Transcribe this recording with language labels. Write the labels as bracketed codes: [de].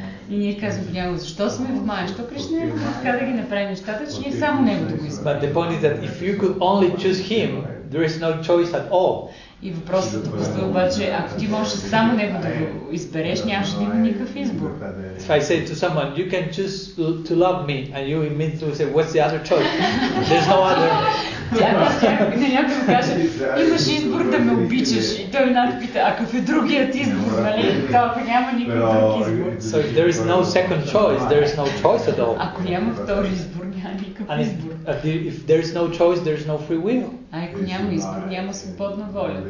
[bg] И ние казваме някой, защо сме в Maya? Защо Кришна е така да ги направи нещата, че ние само него да го избираме? [en] But the point is that if you could only choose him, there is no choice at all. [bg] И въпросът да постои обаче, ако ти можеш само него да го избереш, нямаш да има никакъв избор. [en] If I say to someone, you can choose to love me, and you immediately say, what's the other choice? There's no other. [bg] На някой го каже, имаш избор да ме обичаш. И той една пита, а какъв е другият избор, нали? Ако няма никакъв друг избор. [en] So if there is no second choice, there is no choice at all. [bg] Ако няма втори избор, няма никакъв избор. [en] And if there is no choice, there is no free will. [bg] А ако няма избор, няма свободна воля.